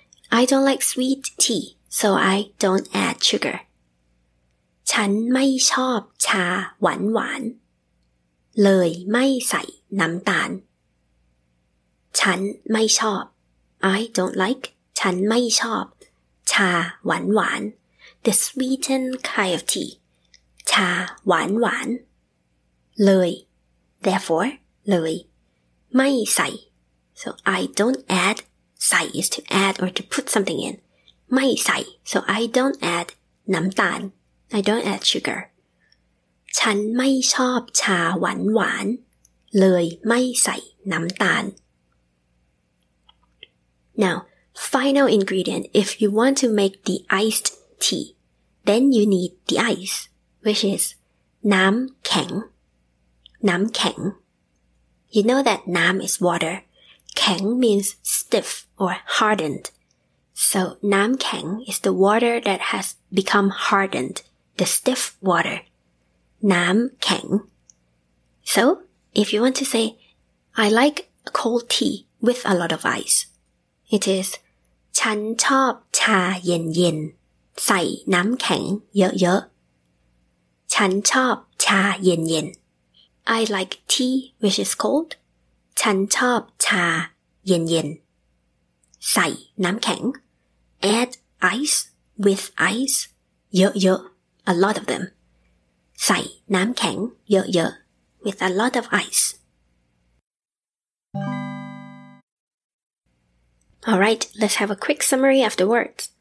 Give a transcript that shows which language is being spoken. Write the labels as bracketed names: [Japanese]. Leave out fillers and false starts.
[English] I don't like sweet tea, so I don't add sugar. [Thai] ฉันไม่ชอบชาหวานหวานเลยไม่ใส่น้ำตาล ฉันไม่ชอบ [English] I don't like [Thai] ฉันไม่ชอบชาหวานหวาน [English] The sweetened kind of tea [Thai] ชาหวานหวานเลย [English] Therefore [Thai] เลยไม่ใส่ [English] So I don't add ใส่ is to add or to put something in [Thai] ไม่ใส่ [English] So I don't add [Thai] น้ำตาล [English] I don't add sugar [Thai] ฉันไม่ชอบชาหวานหวานเลยไม่ใส่น้ำตาล [English] Now, final ingredient, if you want to make the iced tea, then you need the ice, which is [Thai] น้ำแข็ง น้ำแข็ง [English] You know that น้ำ is water. แข็ง means stiff or hardened. So น้ำแข็ง is the water that has become hardened, the stiff water. น้ำแข็ง So, if you want to say, I like a cold tea with a lot of ice. It is [Thai] ฉันชอบชาเย็นๆใส่น้ำแข็งเยอะๆฉันชอบชาเย็น [English] ๆ I like tea which is cold [Thai] ฉันชอบชาเย็นๆใส่น้ำแข็ง [English] Add ice with ice [Thai] เยอะๆ [English] a lot of them [Thai] ใส่น้ำแข็งเยอะๆ [English] with a lot of iceAlright, let's have a quick summary of the words.